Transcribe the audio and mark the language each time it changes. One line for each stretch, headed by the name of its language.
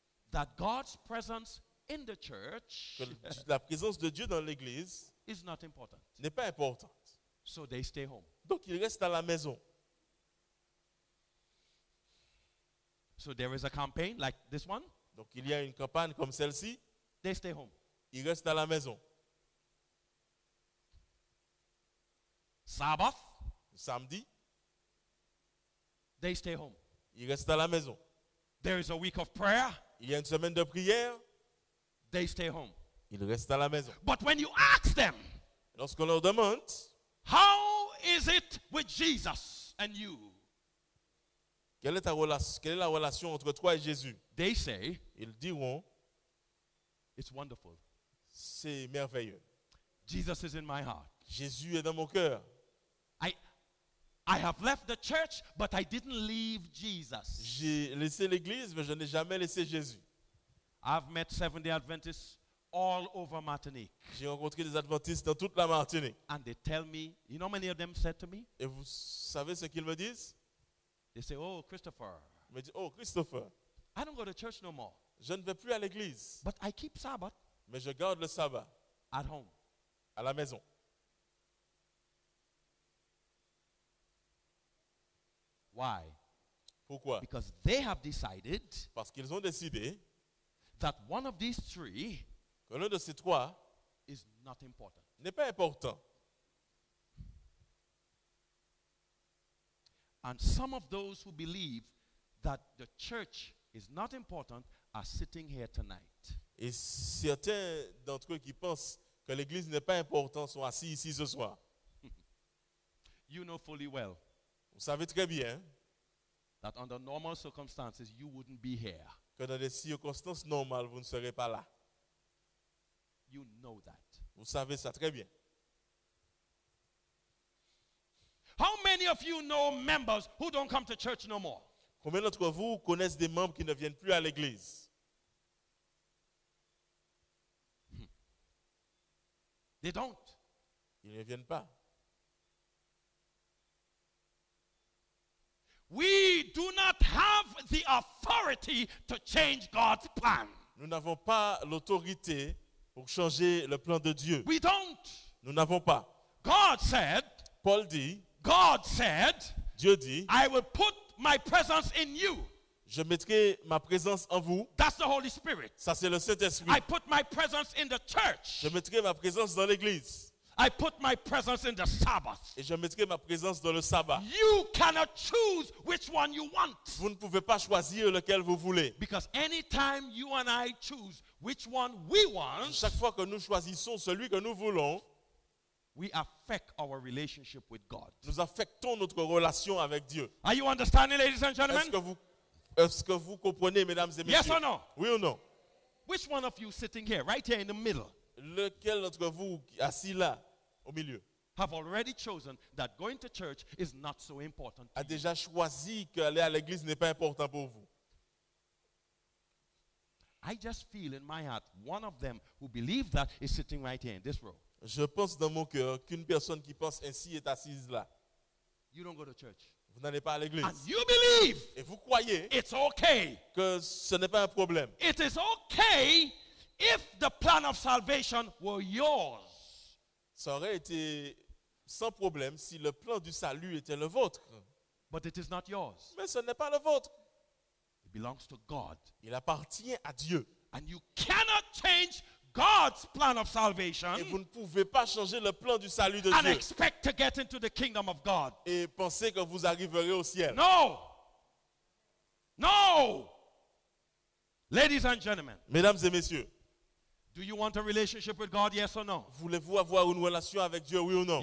English: that God's presence in the church,
French: la présence de Dieu dans l'église,
English: is not important.
French: N'est pas importante.
English: So they stay home.
French: Donc ils restent à la maison.
English: So there is a campaign like this one.
French: Donc il y a une campagne comme celle-ci.
English: They stay home.
French: Ils restent à la maison.
English: Sabbath.
French: Samedi.
English: They stay home.
French: Ils restent à la maison.
English: There is a week of prayer.
French: Il y a une semaine de prière.
English: They stay home.
French: Ils restent à la maison.
English: But when you ask them,
French: lorsqu'on leur demande,
English: how is it with Jesus and you?
French: Quelle est la relation entre toi et Jésus?
English: They say,
French: ils diront,
English: it's wonderful.
French: C'est merveilleux.
English: Jesus is in my heart.
French: Jésus est dans mon cœur.
English: I have left the church, but I didn't leave Jesus.
French: J'ai laissé l'église, mais je n'ai jamais laissé Jésus.
English: I've met Seventh-day Adventists all over Martinique.
French: J'ai rencontré des Adventistes dans toute la Martinique.
English: And they tell me, you know, many of them said to me.
French: Et vous savez ce qu'ils me disent?
English: They say, "Oh, Christopher."
French: Ils me disent, "Oh, Christopher."
English: I don't go to church no more.
French: Je ne vais plus à l'église.
English: But I keep Sabbath.
French: Mais je garde le sabbat.
English: At home.
French: À la maison.
English: Why?
French: Pourquoi?
English: Because they have decided.
French: Parce qu'ils ont décidé.
English: That one of these three,
French: que l'un de ces trois,
English: is not important.
French: N'est pas important.
English: And some of those who believe that the church is not important are sitting here tonight.
French: Et certains d'entre eux qui pensent que l'église n'est pas importante sont assis ici ce soir.
English: You know fully well.
French: Vous savez très bien
English: that under normal circumstances you wouldn't be here.
French: Que dans des circonstances normales vous ne serez pas là.
English: You know that.
French: Vous savez ça très bien.
English: How many of you know members who don't come to church no more?
French: Combien d'entre vous connaissent des membres qui ne viennent plus à l'église?
English: They don't.
French: Ils ne viennent pas.
English: We do not have the authority to change God's plan.
French: Nous n'avons pas l'autorité pour changer le plan de Dieu.
English: We don't.
French: Nous n'avons pas.
English: God said,
French: Paul dit,
English: God said,
French: Dieu dit,
English: I will put my presence in you.
French: Je mettrai ma présence en vous.
English: That's the Holy Spirit.
French: Ça, c'est le Saint-Esprit.
English: I put my presence in the church.
French: Je mettrai ma présence dans l'église.
English: I put my presence in the Sabbath.
French: Et je mettrai ma présence dans le sabbat.
English: You cannot choose which one you want.
French: Vous ne pouvez pas choisir lequel vous voulez.
English: Because anytime you and I choose which one we want,
French: chaque fois que nous choisissons celui que nous voulons,
English: we affect our relationship with God.
French: Nous affectons notre relation avec Dieu.
English: Are you understanding, ladies and gentlemen?
French: Est-ce que vous comprenez, mesdames et messieurs?
English: Yes or no?
French: Oui ou non?
English: Which one of you sitting here, right here in the middle?
French: Lequel d'entre vous assis là au milieu
English: have already chosen that going to church is not so important to
French: a déjà choisi qu'aller à l'église n'est pas important pour vous.
English: I just feel in my heart one of them who believe that is sitting right here in this row.
French: Je pense dans mon cœur qu'une personne qui pense ainsi est assise là.
English: You don't go to church.
French: Vous n'allez pas à l'église.
English: And you believe.
French: Et vous croyez.
English: It's okay.
French: Que ce n'est pas un problème.
English: It is okay. If the plan of salvation were yours,
French: ça aurait été sans problème si le plan du salut était le vôtre.
English: But it is not yours.
French: Mais ce n'est pas le vôtre.
English: It belongs to God.
French: Il appartient à Dieu.
English: And you cannot change God's plan of salvation.
French: Et vous ne pouvez pas changer le plan du salut de Dieu.
English: And expect to get into the kingdom of God.
French: Et penser que vous arriverez au ciel.
English: No. No. Ladies and gentlemen.
French: Mesdames et messieurs.
English: Do you want a relationship with God, yes or no?
French: Voulez-vous avoir une relation avec Dieu, oui ou non?